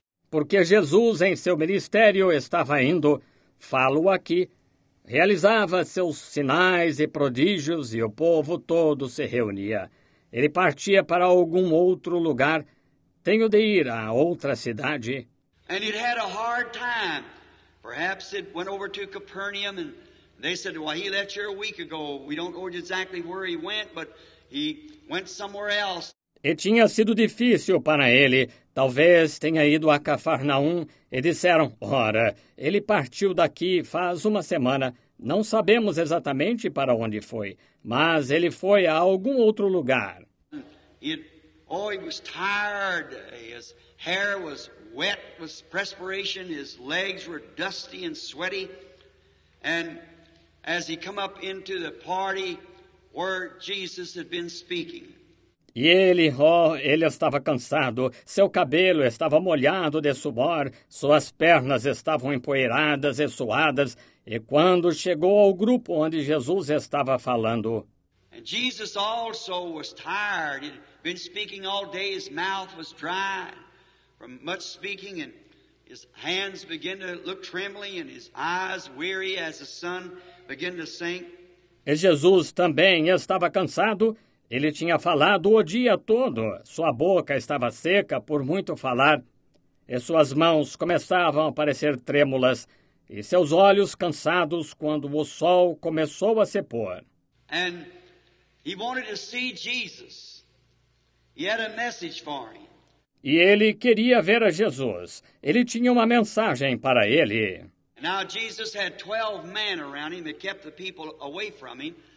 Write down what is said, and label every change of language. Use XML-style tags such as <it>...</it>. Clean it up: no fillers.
<pt>Porque Jesus em seu ministério estava indo, falo aqui, realizava seus sinais e prodígios e o povo todo se reunia. Ele partia para algum outro lugar. Tenho de ir a outra cidade.</pt> <en>And he had a hard time. Perhaps it went over to Capernaum and they said, well, he left here a week ago. We don't know exactly where he went, but he went somewhere else.</en> <pt>E tinha sido difícil para ele. Talvez tenha ido a Cafarnaum e disseram, ora, ele partiu daqui faz uma semana. Não sabemos exatamente para onde foi, mas ele foi a algum outro lugar.</pt> <en>He was tired. His hair was wet with perspiration. His legs were dusty and sweaty. And as he come up into the party where Jesus had been speaking.</en> <pt>E ele, ele estava cansado, seu cabelo estava molhado de suor, suas pernas estavam empoeiradas e suadas, e quando chegou ao grupo onde Jesus estava falando.</pt> <en>And Jesus also was tired. He'd been speaking all day, his mouth was dry from much speaking, and his hands began to look trembling, and his eyes weary as the sun began to sink.</en> <pt>E Jesus também estava cansado. Ele tinha falado o dia todo. Sua boca estava seca por muito falar. E suas mãos começavam a parecer trêmulas. E seus olhos cansados quando o sol começou a se pôr.</pt> <en>And he wanted to see Jesus. He had a message for him.</en> <pt>E ele queria ver a Jesus. Ele tinha uma mensagem para ele.</pt> <en>Now Jesus had 12 men around him that kept the people away from him.</en>